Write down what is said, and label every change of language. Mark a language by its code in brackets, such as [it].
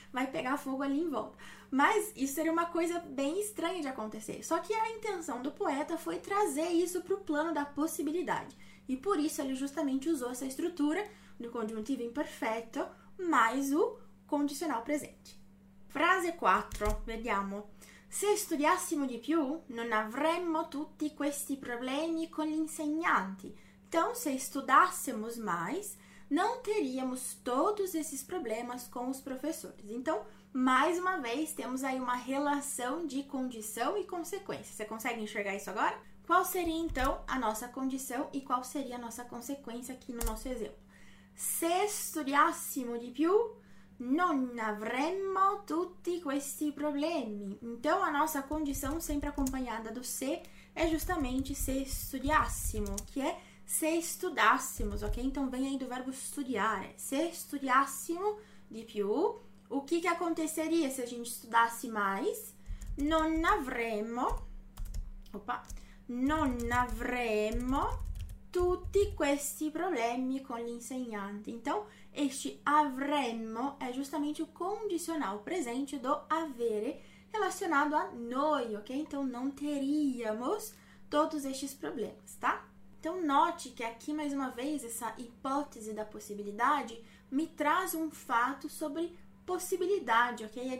[pt] Vai pegar fogo ali em volta. Mas isso seria uma coisa bem estranha de acontecer. Só que a intenção do poeta foi trazer isso para o plano da possibilidade. E por isso ele justamente usou essa estrutura do conjuntivo imperfeito mais o condicional presente. [it] Frase 4, vediamo. Se studiassimo di più, non avremmo tutti questi problemi con gli insegnanti. [pt] Então, se estudássemos mais, não teríamos todos esses problemas com os professores. Então, mais uma vez, temos aí uma relação de condição e consequência. Você consegue enxergar isso agora? Qual seria então a nossa condição e qual seria a nossa consequência aqui no nosso exemplo? [it] Se studiassimo di più, non avremmo tutti questi problemi. [pt] Então, a nossa condição, sempre acompanhada do se, é justamente [it] se studiassimo, [pt] que é se estudássemos, ok? Então, vem aí do verbo studiare. [it] Se studiassimo di più, [pt] o que que aconteceria se a gente estudasse mais? [it] Non avremmo, opa, non avremmo tutti questi problemi con gli insegnanti. [pt] Então, este avremmo è justamente o condicional presente do avere relacionado [it] a noi, [pt] ok? Então, non teríamos todos estes problemas, tá? Então, note que aqui, mais uma vez, essa hipótese da possibilidade me traz um fato sobre possibilidade, ok?